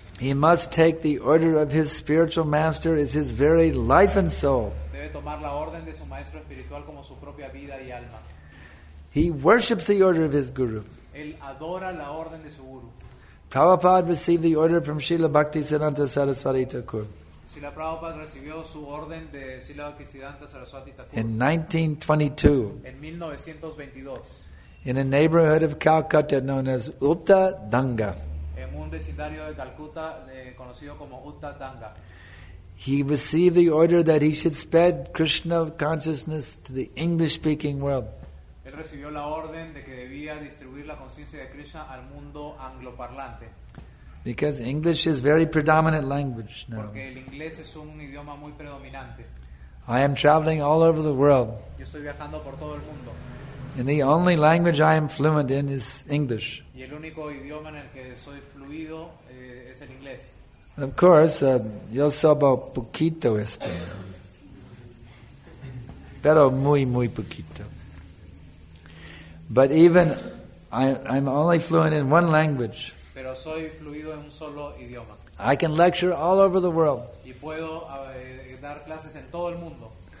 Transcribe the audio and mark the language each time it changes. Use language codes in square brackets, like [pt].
[en] He must take the order of his spiritual master as his very life and soul. [es] Debe tomar la orden de su maestro espiritual como su propia vida y alma. [en] He worships the order of his guru. [es] Él adora la orden de su guru. [en] Prabhupada received the order from Srila Bhaktisiddhanta Sarasvati Thakur. [es] Srila Prabhupada recibió su orden de Srila Bhaktisiddhanta Sarasvati Thakur. [en] In 1922. [es] En 1922. [en] In a neighborhood of Calcutta known as Uttadanga. [es] En un vecindario de Calcuta conocido como Uttadanga. [en] He received the order that he should spread Krishna consciousness to the English speaking world. [es] Él recibió la orden de que debía distribuir la conciencia de Krishna al mundo angloparlante. [en] Because English is very predominant language now. [es] Porque el inglés es un idioma muy predominante. [en] I am traveling all over the world. [es] Yo estoy viajando por todo el mundo. [en] And the only language I am fluent in is English. [es] Y el único idioma en el que soy fluido es el inglés. [en] Of course, [es] yo sabo poquito español. Pero muy, muy poquito. [en] But even I'm only fluent in one language. [es] Pero soy fluido en un solo idioma. [en] I can lecture all over the world. [es] Y puedo dar clases en todo el mundo.